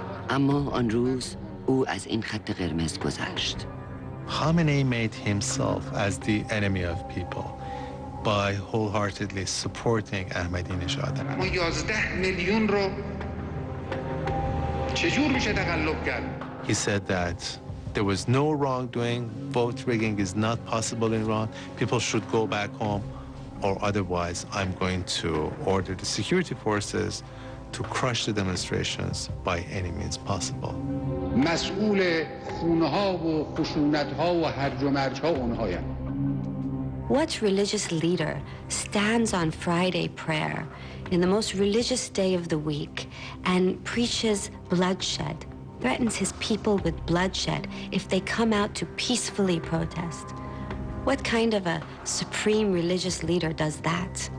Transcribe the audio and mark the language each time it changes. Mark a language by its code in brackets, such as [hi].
[fa] اما آن روز او از این خط قرمز گذشت. [en] Khamenei made himself as the enemy of people by wholeheartedly supporting Ahmadinejad. [fa] ما 11 میلیون رو چجور میشه تقلب کرد؟ [en] He said that there was no wrongdoing, vote rigging is not possible in Iran, people should go back home or otherwise I'm going to order the security forces to crush the demonstrations by any means possible. [fa] مسئول خونها و خشونتها و هرج و مرجها اونهای. [en] What religious leader stands on Friday prayer in the most religious day of the week and preaches bloodshed, threatens his people with bloodshed if they come out to peacefully protest? What kind of a supreme religious leader does that?